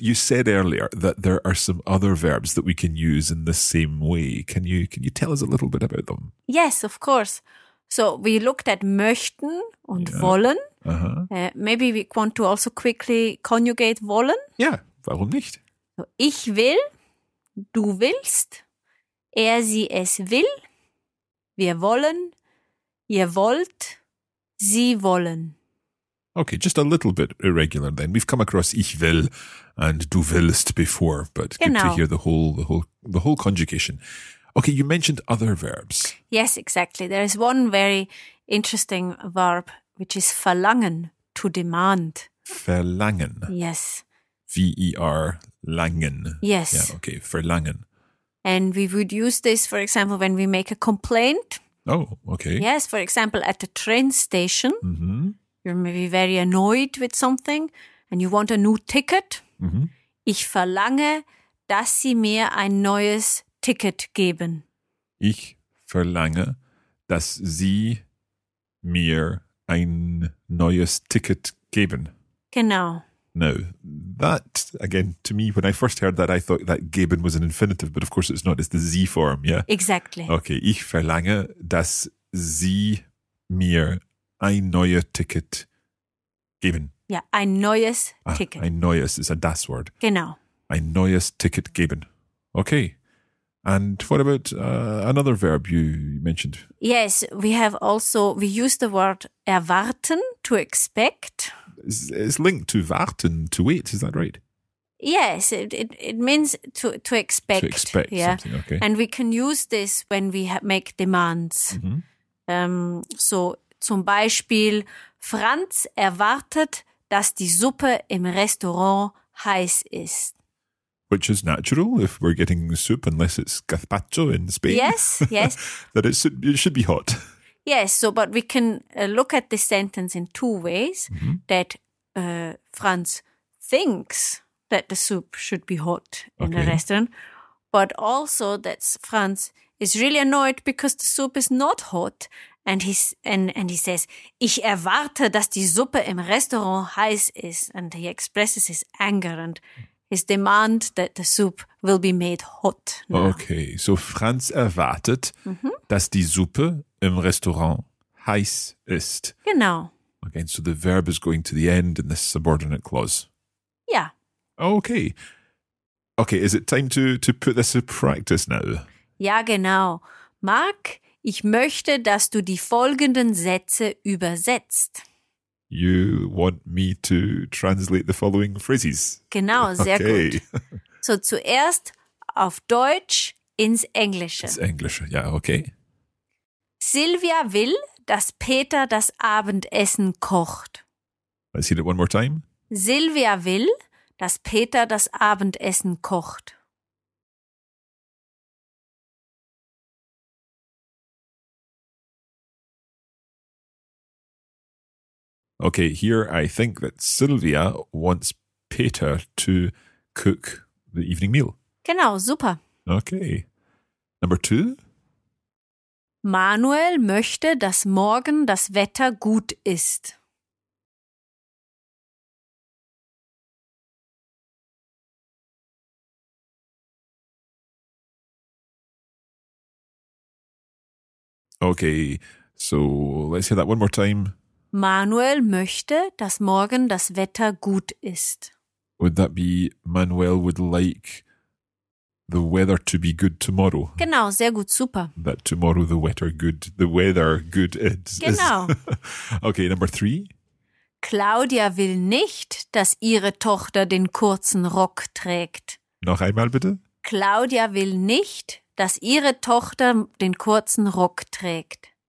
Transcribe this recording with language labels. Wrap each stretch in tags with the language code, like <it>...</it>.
<en>You said earlier that there are some other verbs that we can use in the same way. Can you tell us a little bit about them? Yes, of course. So we looked at möchten und yeah. wollen. Uh-huh. Maybe we want to also quickly conjugate wollen. Yeah,</en> <de>warum nicht? So ich will, du willst, er, sie, es will, wir wollen. Ihr wollt, sie wollen.</de> <en>Okay, just a little bit irregular then. We've come across</en> <de>ich will</de> <en>and</en> <de>du willst</de> <en>before, but</en> <de>genau.</de> <en>Good to hear the whole conjugation. Okay, you mentioned other verbs. Yes, exactly. There is one very interesting verb, which is verlangen, to demand. Verlangen. Yes. V-E-R-langen. Yes. Yeah, okay, verlangen. And we would use this, for example, when we make a complaint. Oh, okay. Yes, for example, at the train station, mm-hmm. you're maybe very annoyed with something and you want a new ticket. Mm-hmm.</en> <de>Ich verlange, dass Sie mir ein neues Ticket geben. Ich verlange, dass Sie mir ein neues Ticket geben. Genau.</de> <en>Now, that, again, to me, when I first heard that, I thought that geben was an infinitive, but of course it's not. It's the Z form, yeah? Exactly. Okay,</en> <de>ich verlange, dass Sie mir ein neues Ticket geben.</de> <en>Yeah,</en> <de>ein neues Ticket.</de> <en>Ein neues is a das word.</en> <de>Genau. Ein neues Ticket geben.</de> <en>Okay. And what about another verb you mentioned? Yes, we have also, we use the word erwarten, to expect. It's linked to warten, to wait, is that right? Yes, it means to expect. To expect, yeah, something, okay. And we can use this when we make demands. Mm-hmm.</en> <de>So zum Beispiel, Franz erwartet, dass die Suppe im Restaurant heiß ist.</de> <en>Which is natural if we're getting soup, unless it's gazpacho in Spain. Yes, yes. That it should be hot. Yes, so but we can look at this sentence in two ways. Mm-hmm. That Franz thinks that the soup should be hot in the restaurant. But also that Franz is really annoyed because the soup is not hot. And he says,</en> <de>ich erwarte, dass die Suppe im Restaurant heiß ist.</de> <en>And he expresses his anger and his demand that the soup will be made hot now. Okay, so</en> <de>Franz erwartet, mm-hmm. dass die Suppe im Restaurant heiß ist. Genau.</de> <en>Okay, so the verb is going to the end in this subordinate clause. Yeah. Okay. Okay, is it time to put this in practice now?</en> <de>Ja, genau. Mark, ich möchte, dass du die folgenden Sätze übersetzt.</de> <en>You want me to translate the following phrases.</en> <de>Genau, sehr</de> <en>okay.</en> <de>gut. So zuerst auf Deutsch ins Englische. Ins Englische, ja,</de> <en>okay.</en> <de>Silvia will, dass Peter das Abendessen kocht.</de> <en>I see it one more time.</en> <de>Silvia will, dass Peter das Abendessen kocht.</de> <en>Okay, here I think that Sylvia wants Peter to cook the evening meal.</en> <de>Genau, super.</de> <en>Okay. Number two.</en> <de>Manuel möchte, dass morgen das Wetter gut ist.</de> <en>Okay, so let's hear that one more time.</en> <de>Manuel möchte, dass morgen das Wetter gut ist.</de> <en>Would that be Manuel would like the weather to be good tomorrow?</en> <de>Genau, sehr gut, super.</de> <en>That tomorrow the weather good is.</en> <de>Genau.</de> <en>Okay, number three.</en> <de>Claudia will nicht, dass ihre Tochter den kurzen Rock trägt. Noch einmal bitte. Claudia will nicht, dass ihre Tochter den kurzen Rock trägt.</de>